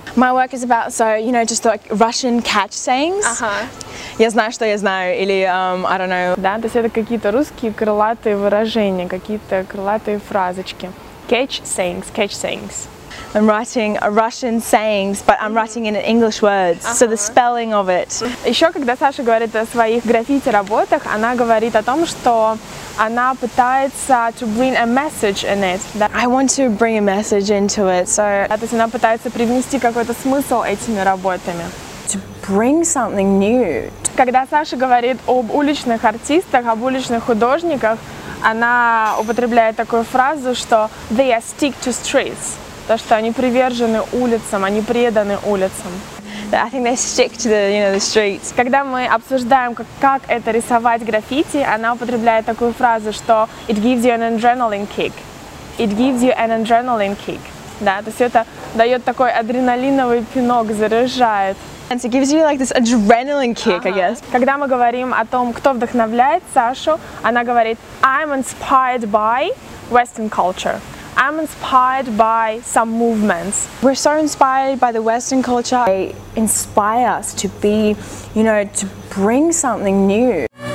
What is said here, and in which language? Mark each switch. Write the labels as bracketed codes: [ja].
[en] My work is about, so, you know, just like Russian catch sayings. [ru] Я знаю, что я знаю, или [en] I don't know. [ru] Да, то есть это какие-то русские крылатые выражения, какие-то крылатые фразочки. [en] Catch sayings, catch sayings. I'm writing Russian sayings, but I'm writing in English words, so the spelling of it. [ru] Еще когда Саша говорит о своих граффити работах, она говорит о том, что она пытается [en] to bring a message in it. That I want to bring a message into it, so. [ru] Да, то есть она пытается привнести какой-то смысл этими работами. [en] To bring something new. [ru] Когда Саша говорит об уличных артистах, об уличных художниках, она употребляет такую фразу, что [en] they are stick to streets. [ru] То, что они привержены улицам, они преданы улицам. [en] I think they stick to the, you know, the streets. [ru] Когда мы обсуждаем, как это рисовать граффити, она употребляет такую фразу, что [en] it gives you an adrenaline kick. It gives you an adrenaline kick. [ru] Да, то есть это дает такой адреналиновый пинок, заряжает. [en] And it gives you like this adrenaline kick, I guess. [ru] Когда мы говорим о том, кто вдохновляет Сашу, она говорит [en] I'm inspired by Western culture. I'm inspired by some movements. We're so inspired by the Western culture. They inspire us to be, you know, to bring something new.